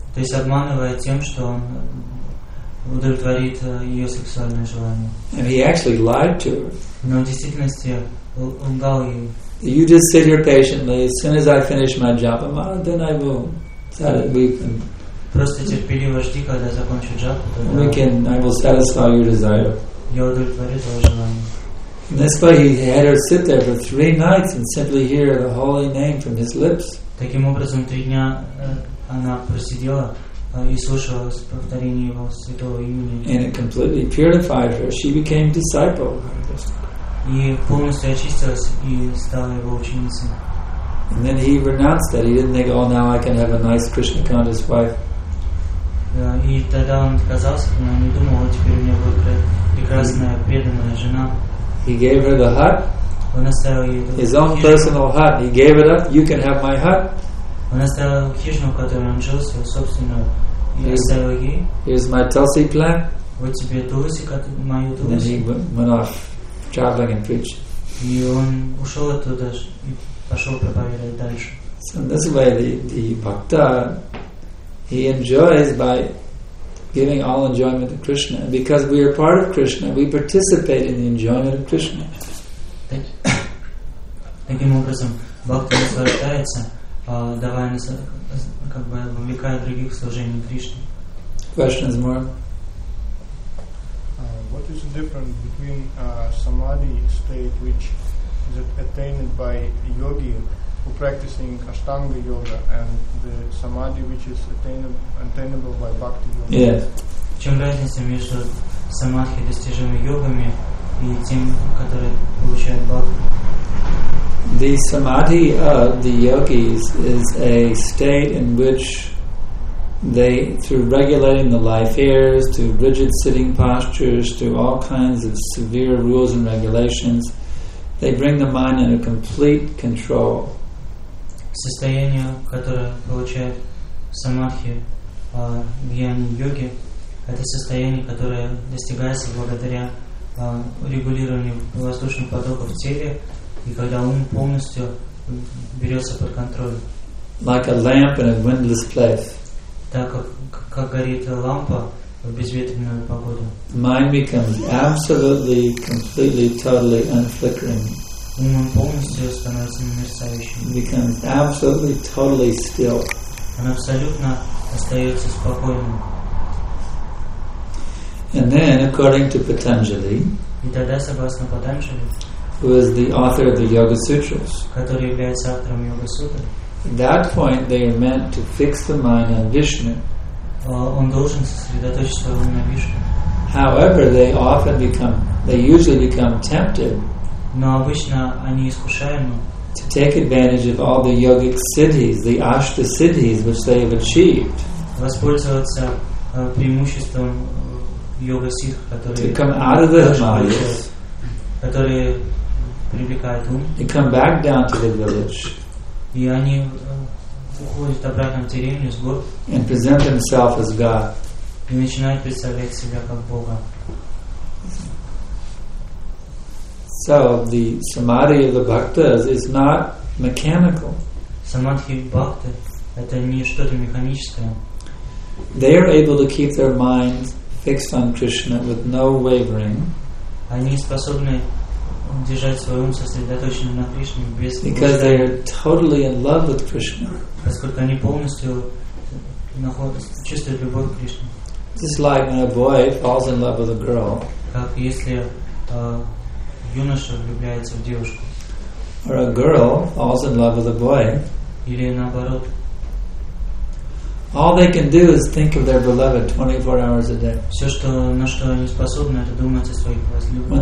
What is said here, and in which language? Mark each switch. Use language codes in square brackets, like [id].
[ru] То есть обманывает тем, что он удовлетворит ее сексуальное желание. [en] And he actually lied to her. [ru] Но в действительности он дал ей. [en] You just sit here patiently. As soon as I finish my japa, then I will weep and. [ru] Просто терпеливо жди, когда закончу джапу. [en] I will satisfy your desire. [ru] Я удовлетворю твое желание. [en] And that's why he had her sit there for 3 nights and simply hear the holy name from his lips. [ru] Таким образом, 3 дня. Она просидела и слушала повторение его святого имени. [en] And it completely purified her. She became disciple. [ru] И полностью очистилась и стала его ученицей. [en] And then he renounced that. He didn't think, oh, now I can have a nice Krishna conscious wife. [ru] И тогда он отказался, но не думал, теперь у меня будет прекрасная преданная жена. [en] He gave her the hut. [ru] Он оставил ей [en] his own personal hut. He gave it up. You can have my hut. [ru] Он оставил хижину, в которой он жил, свою собственную, и оставил ей. [en] Here's my tulsi plant. [ru] Вот тебе тулси, мою тулси. [en] And then he went off traveling and preached. [ru] И он ушел оттуда и пошел проповедовать дальше. [en] So in this way, the bhakta, he enjoys by giving all enjoyment to Krishna. Because we are part of Krishna, we participate in the enjoyment of Krishna. [ru] Таким образом, бхакта наслаждается, давая, как бы, вовлекая других в служение Кришне. [en] Questions more? What is the difference between samadhi state, which is attained by yogi who practicing Ashtanga yoga, and the samadhi which is attainable by bhakti yoga? Yes. [ru] В чем разница между самадхи, достижимой йогами, и тем, которые получают бхакти? [en] The samadhi of the yogis is a state in which they, through regulating the life here, through rigid sitting postures, through all kinds of severe rules and regulations, they bring the mind under complete control. [ru] Состояние, которое получает самадхи в йоге, это состояние, которое достигается благодаря регулированию воздушных потоков в теле, и когда ум полностью берется под контроль. [en] Like a lamp in a windless place. [ru] Так как горит лампа в безветренную погоду. [en] Mind becomes absolutely, completely, totally unflickering. [ru] Ум полностью становится немерцающим. [en] Becomes absolutely, totally still. [ru] Он абсолютно остается спокойным. [en] And then, according to Patanjali, [ru] и тогда, согласно Патанджали, [en] who is the author of the Yoga Sutras, [ru] который является автором Йога Сутры, [en] at that point, they are meant to fix the mind on Vishnu. [ru] Он должен сосредоточить свое ум на Вишну. [en] However, they usually become tempted. [ru] Но обычно они искушаемы. [en] To take advantage of all the yogic siddhis, the ashta siddhis, which they have achieved. [ru] Воспользоваться преимуществом йога сидх, которые. [en] To come out of the Himalayas. [ru] Которые привлекают ум. [en] To come back down to the village. [ru] И они уходят обратно в деревню с гор. [en] And present themselves as God. [ru] И начинают представлять себя как Бога. [en] So the samadhi of the bhaktas is not mechanical. [ru] Samadhi bhakti это не что-то механическое. [en] They are able to keep their minds fixed on Krishna with no wavering. [ru] Они способны держать свой ум сосредоточенным на Кришне без. [en] Because they are totally in love with Krishna. [ru] Поскольку они полностью чувствуют любовь к Кришне. [en] Just like when a boy falls in love with a girl. [ru] Как если юноша влюбляется в девушку. [en] Or a girl falls in love with a boy. [ru] Или наоборот. [en] All they can do is think of their beloved 24 hours a day. [ru] Все, что на что они способны, это думать о своих возлюбленных.